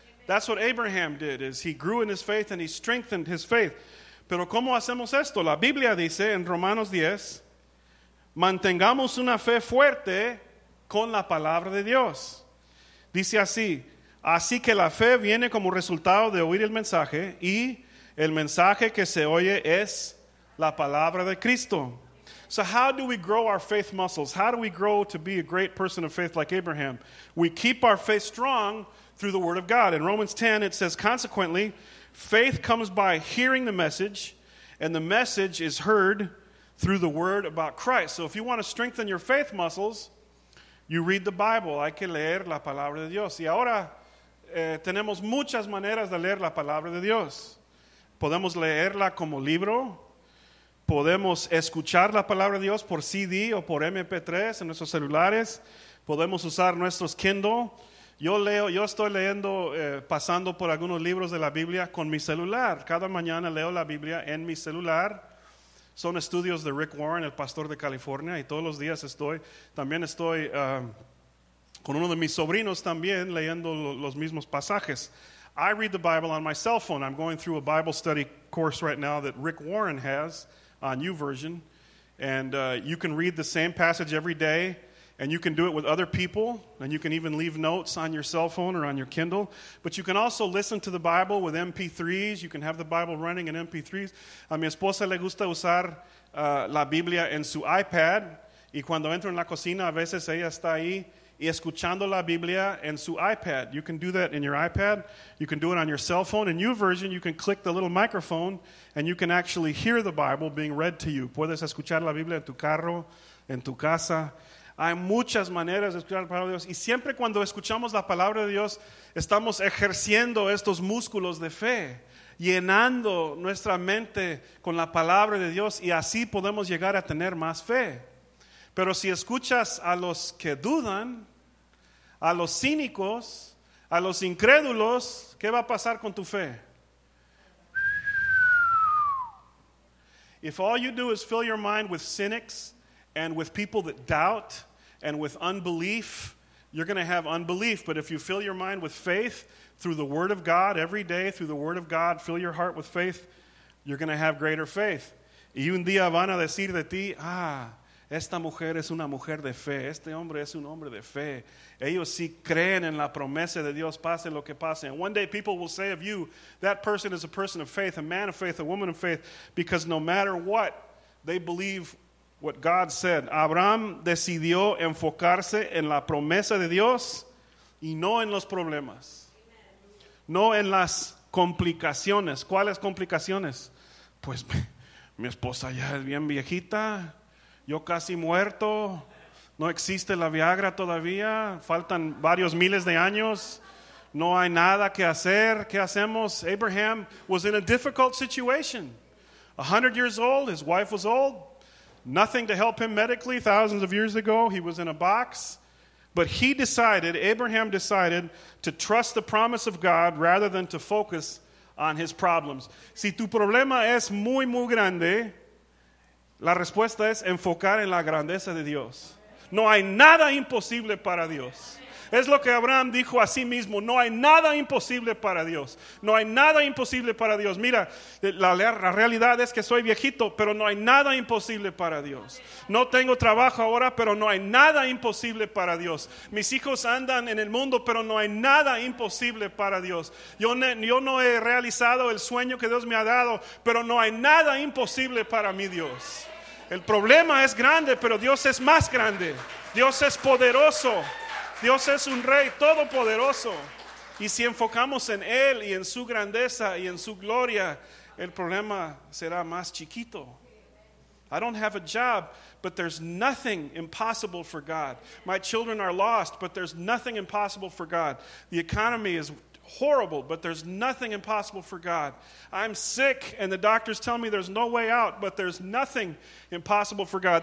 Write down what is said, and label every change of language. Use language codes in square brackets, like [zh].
[en] That's what Abraham did, is he grew in his faith and he strengthened his faith. [es] Pero ¿cómo hacemos esto? La Biblia dice en Romanos 10, mantengamos una fe fuerte con la palabra de Dios. Dice así, así que la fe viene como resultado de oír el mensaje, y el mensaje que se oye es la palabra de Cristo. [en] So how do we grow our faith muscles? How do we grow to be a great person of faith like Abraham? We keep our faith strong through the word of God. In Romans 10, it says, consequently, faith comes by hearing the message, and the message is heard through the word about Christ. So if you want to strengthen your faith muscles, you read the Bible. [es] Hay que leer la palabra de Dios. Y ahora tenemos muchas maneras de leer la palabra de Dios. Podemos leerla como libro. Podemos escuchar la palabra de Dios por CD o por MP3 en nuestros celulares. Podemos usar nuestros Kindle. Yo estoy leyendo, pasando por algunos libros de la Biblia con mi celular. Cada mañana leo la Biblia en mi celular. Son estudios de Rick Warren, el pastor de California, y todos los días estoy con uno de mis sobrinos también leyendo los mismos pasajes. [en] I read the Bible on my cell phone. I'm going through a Bible study course right now that Rick Warren has on YouVersion. And you can read the same passage every day. And you can do it with other people, and you can even leave notes on your cell phone or on your Kindle. But you can also listen to the Bible with MP3s. You can have the Bible running in MP3s. [es] A mi esposa le gusta usar la Biblia en su iPad. Y cuando entro en la cocina, a veces ella está ahí y escuchando la Biblia en su iPad. [en] You can do that in your iPad. You can do it on your cell phone. In YouVersion, you can click the little microphone, and you can actually hear the Bible being read to you. [es] Puedes escuchar la Biblia en tu carro, en tu casa. Hay muchas maneras de escuchar la palabra de Dios. Y siempre cuando escuchamos la palabra de Dios, estamos ejerciendo estos músculos de fe, llenando nuestra mente con la palabra de Dios, y así podemos llegar a tener más fe. Pero si escuchas a los que dudan, a los cínicos, a los incrédulos, ¿qué va a pasar con tu fe? [en] If all you do is fill your mind with cynics and with people that doubt, and with unbelief, you're going to have unbelief. But if you fill your mind with faith through the word of God every day, through the word of God, fill your heart with faith, you're going to have greater faith. [es] Y un día van a decir de ti, ah, esta mujer es una mujer de fe. Este hombre es un hombre de fe. Ellos sí creen en la promesa de Dios, pase lo que pase. [en] And one day people will say of you, that person is a person of faith, a man of faith, a woman of faith, because no matter what, they believe what God said. [es] Abraham decidió enfocarse en la promesa de Dios y no en los problemas. No en las complicaciones. ¿Cuáles complicaciones? Pues mi esposa ya es bien viejita. Yo casi muerto. No existe la Viagra todavía. Faltan varios miles de años. No hay nada que hacer. ¿Qué hacemos? [en] Abraham was in a difficult situation. 100 years old. His wife was old. Nothing to help him medically. Thousands of years ago, he was in a box. But he decided, Abraham decided, to trust the promise of God rather than to focus on his problems. [es] Si tu problema es muy, muy grande, la respuesta es enfocar en la grandeza de Dios. No hay nada imposible para Dios. Es lo que Abraham dijo a sí mismo. No hay nada imposible para Dios. No hay nada imposible para Dios. Mira, la realidad es que soy viejito, pero no hay nada imposible para Dios. No tengo trabajo ahora, pero no hay nada imposible para Dios. Mis hijos andan en el mundo, pero no hay nada imposible para Dios. Yo no he realizado el sueño que Dios me ha dado, pero no hay nada imposible para mi Dios. El problema es grande, pero Dios es más grande. Dios es poderoso. Dios es un rey todopoderoso. Y si enfocamos en Él y en su grandeza y en su gloria, el problema será más chiquito. [en] I don't have a job, but there's nothing impossible for God. My children are lost, but there's nothing impossible for God. The economy is horrible, but there's nothing impossible for God. I'm sick and the doctors tell me there's no way out, but there's nothing impossible for God.